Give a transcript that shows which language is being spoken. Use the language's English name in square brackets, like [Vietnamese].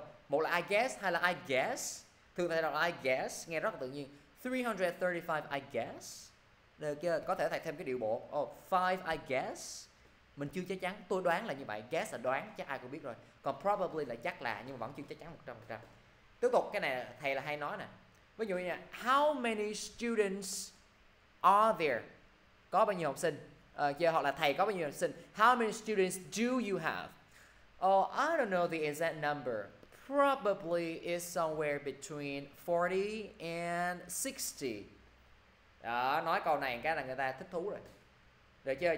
[Vietnamese] Một là I guess hay là I guess. Thường thầy đọc là I guess, nghe rất là tự nhiên. 335 I guess. Được chưa? Có thể thầy thêm cái điệu bộ. Oh, 5 I guess. Mình chưa chắc chắn, tôi đoán là như vậy. Guess là đoán, chắc ai cũng biết rồi. Còn probably là chắc là, nhưng mà vẫn chưa chắc chắn 100%. Tiếp tục, cái này thầy là hay nói nè. [English] Ví dụ như vậy, how many students are there? [Vietnamese] Có bao nhiêu học sinh? Kia hoặc là thầy có bao nhiêu học sinh? [English] How many students do you have? Oh, I don't know the exact number. Probably is somewhere between 40 and 60. [Vietnamese] Đó, nói câu này cái là người ta thích thú rồi. Được chưa?